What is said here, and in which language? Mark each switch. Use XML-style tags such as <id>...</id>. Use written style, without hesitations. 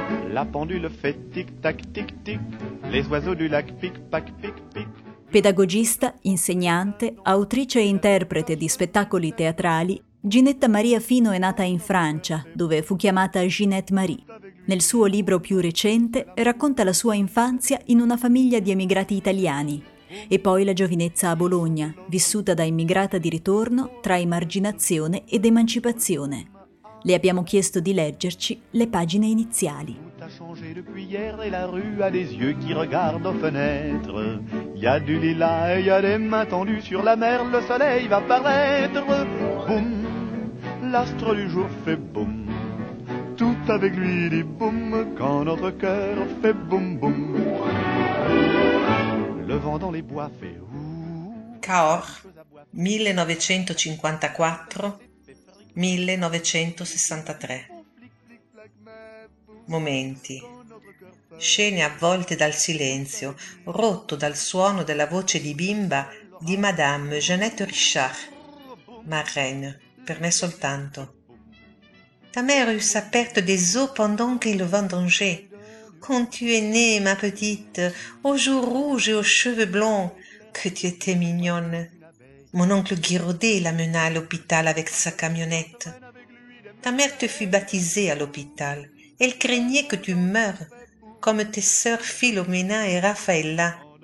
<fr>La pendule fait tic-tac tic-tic, les oiseaux du lac pic-pac pic-pic.</fr> <it>Pedagogista, insegnante, autrice e interprete di spettacoli teatrali, Ginetta Maria Fino è nata in Francia, dove fu chiamata Ginette Marie. Nel suo libro più recente racconta la sua infanzia in una famiglia di emigrati italiani e poi la giovinezza a Bologna, vissuta da immigrata di ritorno tra emarginazione ed emancipazione. Le abbiamo chiesto di leggerci le pagine iniziali.</it> <fr>Depuis hier et la rue a des yeux qui regardent aux fenêtres. Il y a du lilas et il y a des mains tendues sur la mer, le soleil va paraître. Boum, l'astre du jour fait boum. Tout avec lui dit boum, quand notre cœur fait boum boum. Le vent dans les bois fait ouh. Cahors, 1954-1963.</fr> <it>Momenti, scene avvolte dal silenzio, rotto dal suono della voce di bimba di Madame Jeannette Richard, marraine, per me soltanto.</it> <fr>Ta mère eut sa perte des eaux pendant qu'il le vendangeait. Quand tu es née, ma petite, aux joues rouges et aux cheveux blonds, que tu étais mignonne. Mon oncle Guiraudet l'amena à l'hôpital avec sa camionnette. Ta mère te fut baptisée à l'hôpital. Elle craignait que tu meures, comme tes sœurs Philomena et Raffaella.</fr>